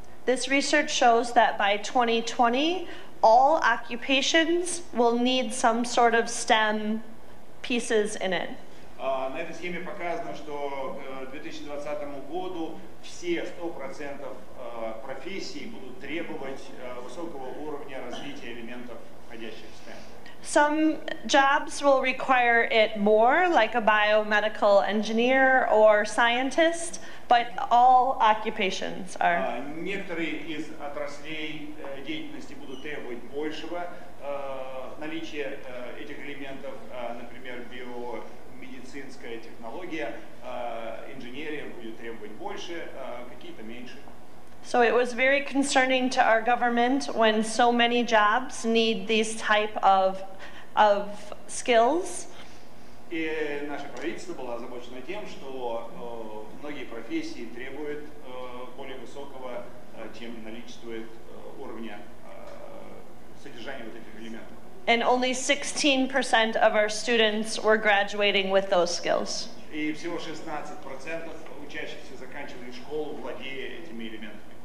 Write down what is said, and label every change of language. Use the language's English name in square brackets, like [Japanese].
[English] This research shows that by 2020, all occupations will need some sort of STEM pieces in it. [Russian] На этой схеме показано, что к 2020 году все 100% профессий будут требовать высокого уровня развития элементов, входящих в STEM. [English] Some jobs will require it more, like a biomedical engineer or scientist, but all occupations are. [Russian] Некоторые из отраслей деятельности будут требовать большего наличия этих элементов, например, биомедицинская технология, инженерия будет требовать больше, какие-то меньше. [English] So it was very concerning to our government when so many jobs need these type of skills. [Russian] И наше правительство было озабочено тем, что многие профессии требуют более высокого, чем наличествует уровня содержания вот этих элементов. [English] And only 16% of our students were graduating with those skills. [Russian] И всего 16% учащихся заканчивали школу, владея этими элементами.